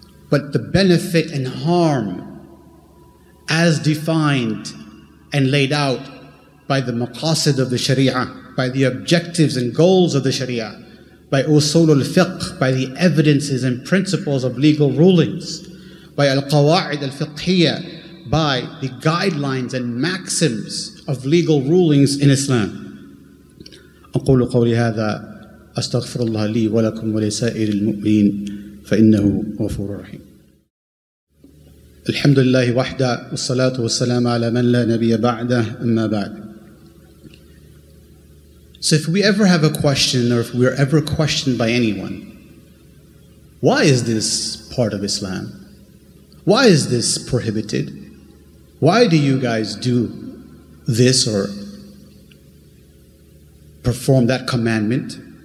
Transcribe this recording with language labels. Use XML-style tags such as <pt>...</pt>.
<en>but the benefit and harm as defined and laid out by the maqasid of the Sharia, by the objectives and goals of the Sharia. by usul al-fiqh, by the evidences and principles of legal rulings, by al-qawa'id al-fiqhiyya, by the guidelines and maxims of legal rulings in Islam.</en> <ar>أقول قولي هذا أستغفر الله لي ولكم ولسائر المؤمنين فإنه غفور رحيم. الحمد لله وحده والصلاة والسلام على من لا نبي بعده أما بعد.</ar> <en>So if we ever have a question, or if we are ever questioned by anyone, why is this part of Islam? Why is this prohibited? Why do you guys do this or perform that commandment?</en>